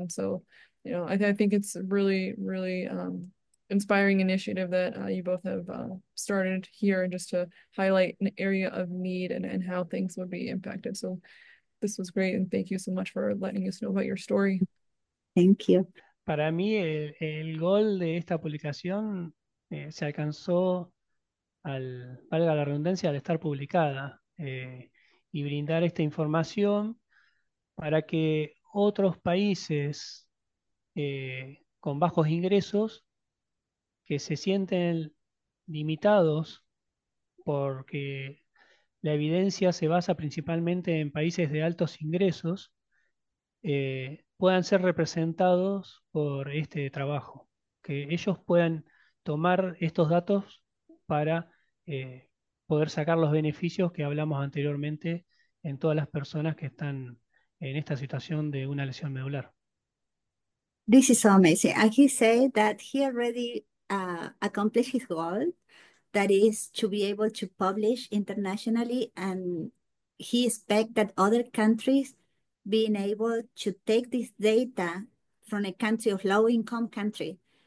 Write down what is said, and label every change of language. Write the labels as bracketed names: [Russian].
[English] And so, I think it's a really, really inspiring initiative that you both have started here, and just to highlight an area of need and how things would be impacted. So this was great, and thank you so much for letting us know about your story. Thank you. [Spanish] Para mí el gol de esta publicación se alcanzó valga la redundancia, al estar publicada y brindar esta información para que otros países con bajos ingresos que se sienten limitados porque la evidencia se basa principalmente en países de altos ingresos, puedan ser representados por este trabajo, que ellos puedan tomar estos datos para poder sacar los beneficios que hablamos anteriormente en todas las personas que están en esta situación de una lesión medular. [English] This is so amazing. And he said that he already accomplished his goal, that is to be able to publish internationally, and he expects that other countries being able to take this data from a country of low income country,